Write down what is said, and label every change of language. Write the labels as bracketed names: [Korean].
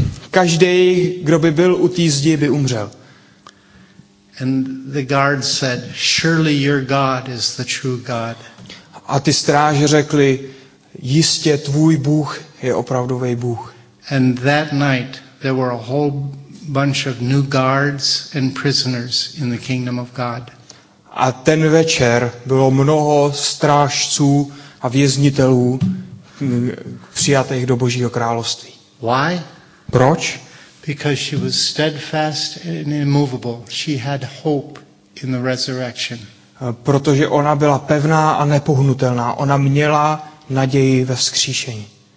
[Czech] Každý, kdo by byl u té zdi, by umřel. [English] And the guards said, "Surely your God is the true God." [Czech] A ty stráže řekli, jistě tvůj Bůh je opravdový Bůh. [English] And that night there were a whole bunch of new guards and prisoners in the kingdom of God. [Czech] A ten večer bylo mnoho strážců a věznitelů přijatých do Božího království. [English] Why? [Czech] Proč? [English] Because she was steadfast and immovable. She had hope in the resurrection. [Czech] Protože ona byla pevná a nepohnutelná. Ona měla naději ve vzkříšení.